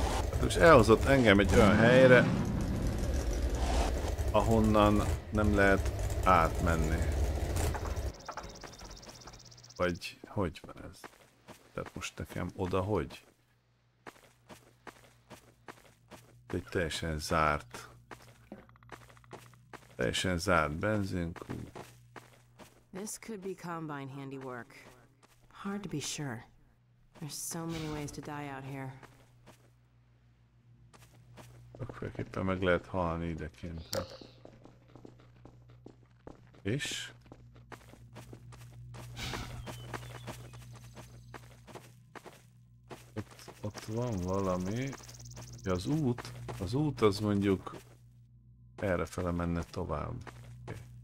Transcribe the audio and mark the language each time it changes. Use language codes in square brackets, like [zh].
[hu] Hát most elhozott engem egy olyan helyre, ahonnan nem lehet átmenni. Vagy... Hogy van ez? Tehát most nekem oda hogy? Egy teljesen zárt. Teljesen zárt benzinkú. [en] This could be combine handiwork. Hard to be sure. There's so many ways to die out here. [hu] Akkoriképpen meg lehet halni ideként. És? Ott van valami. Ja, az út az mondjuk errefele menne tovább. Okay.